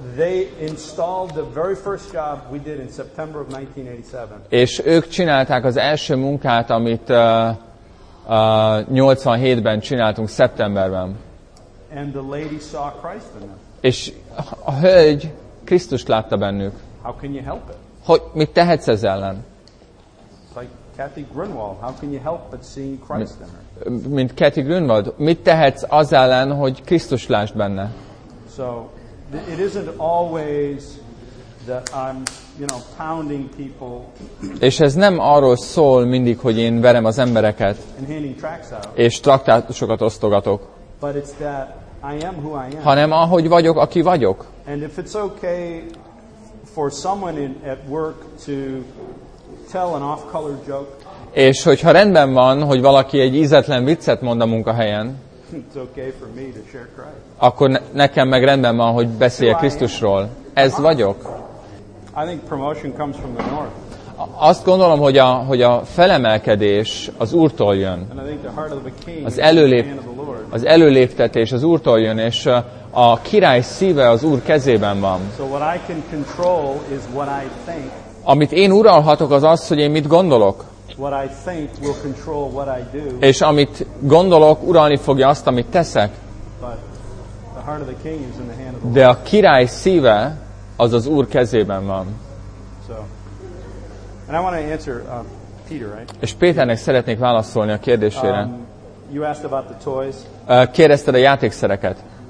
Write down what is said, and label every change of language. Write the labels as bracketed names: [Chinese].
[English] They installed the very first job we did in September of 1987. [Hungarian] És ők csinálták az első munkát, amit 87-ben csináltunk szeptemberben. [English] And the lady saw Christ in them. [Hungarian] És a hölgy Krisztust látta bennük. [English] How can you help it? [Hungarian] Hogy mit tehetsz ez ellen? [English] Like Kathy Grunwald, how can you help but seeing Christ in her? [Hungarian] Mint Kathy Grunwald, mit tehetsz az ellen, hogy Krisztust lásd benne? [English] So it isn't always that I'm, you know, pounding people. [Hungarian] És ez nem arról szól mindig, hogy én verem az embereket. [English] And handing tracts out. [Hungarian] És traktátusokat osztogatok. [English] But it's that I am who I am. [Hungarian] Hanem ahogy vagyok, aki vagyok. [English] And if it's okay for someone in, at work to tell an off-color joke. [Hungarian] És hogyha rendben van, hogy valaki egy ízetlen viccet mond a munkahelyen. [English] It's okay for me to share Christ. [Hungarian] Akkor nekem meg rendben van, hogy beszélje Krisztusról. Ez vagyok. [English] I think promotion comes from the north. [Hungarian] Azt gondolom, hogy a felemelkedés az Úrtól jön. [English] And I think the heart of the king [Hungarian] az előléptetés az Úrtól jön, és a király szíve az Úr kezében van. [English] So what I can control is what I think. [Hungarian] Amit én uralhatok, az az, hogy én mit gondolok. [English] What I think will control what I do. [Hungarian] És amit gondolok, uralni fogja azt, amit teszek. [English] But the heart of the king is in the hand of the [Hungarian] Lord. De a király szíve az az Úr kezében van. [English] So, and I want to answer Peter, right? [Hungarian] És Péternek szeretnék válaszolni a kérdésére. [English] You asked about the toys. [Hungarian] Kérdezted a játékszereket.